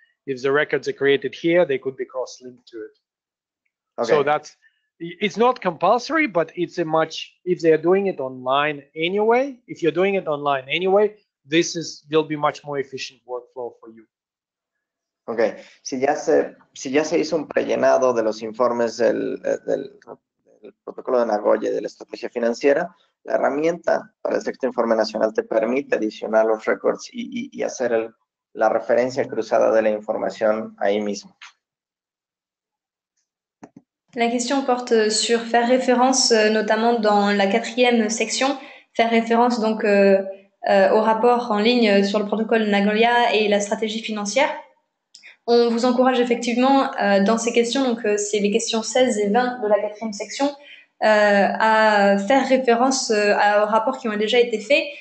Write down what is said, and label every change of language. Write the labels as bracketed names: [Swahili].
[English] If the records are created here, they could be cross-linked to it. Okay. So it's not compulsory, but it's a much, if they are doing it online anyway, if you're doing it online anyway, this is, will be much more efficient workflow for you. Okay. [Spanish] Si ya se hizo un prellenado de los informes del protocolo de Nagoya y de la estrategia financiera, la herramienta para el sexto informe nacional te permite adicionar los records y hacer la referencia cruzada de la información ahí mismo. [French] La question porte sur faire référence, notamment dans la quatrième section, faire référence donc au rapport en ligne sur le protocole Nagoya et la stratégie financière. On vous encourage effectivement dans ces questions, donc c'est les questions 16 et 20 de la quatrième section, à faire référence aux rapports qui ont déjà été faits.